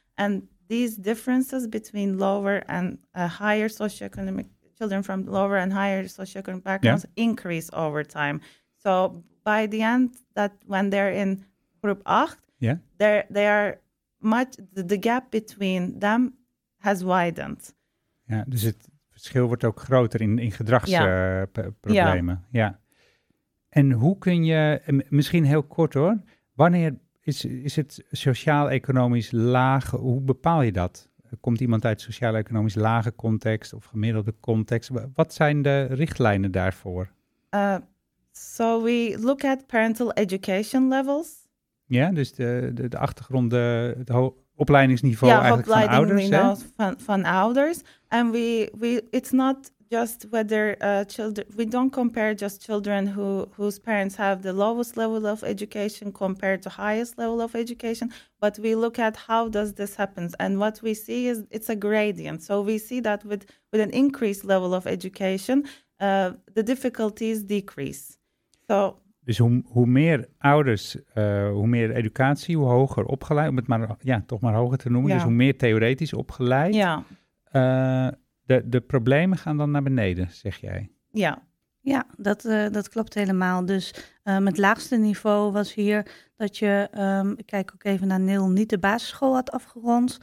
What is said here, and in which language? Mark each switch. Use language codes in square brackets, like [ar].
[en] And these differences between lower and higher socioeconomic children from lower and higher socioeconomic backgrounds increase over time. So by the end, that when they're in group 8, they are much the gap between them has widened. [nl] Ja, dus het verschil wordt ook groter in gedragsproblemen. Ja. Ja. En hoe kun je, misschien heel kort hoor, wanneer is het sociaal-economisch laag? Hoe bepaal je dat? Komt iemand uit sociaal-economisch lage context of gemiddelde context? Wat zijn de richtlijnen daarvoor? [en] So we look at parental education levels. [nl] Ja, dus de achtergrond, het opleidingsniveau eigenlijk van ouders. Ja, van ouders. [en] And we it's not just whether children, we don't compare just children whose parents have the lowest level of education compared to highest level of education, but we look at how does this happens. And what we see is it's a gradient. So we see that with an increased level of education, the difficulties decrease. So, [nl] dus hoe meer ouders, hoe meer educatie, hoe hoger opgeleid, om het maar toch maar hoger te noemen, dus hoe meer theoretisch opgeleid, De problemen gaan dan naar beneden, zeg jij. Ja, ja, dat klopt helemaal. Dus het laagste niveau was hier dat je, ik kijk ook even naar Neil, niet de basisschool had afgerond.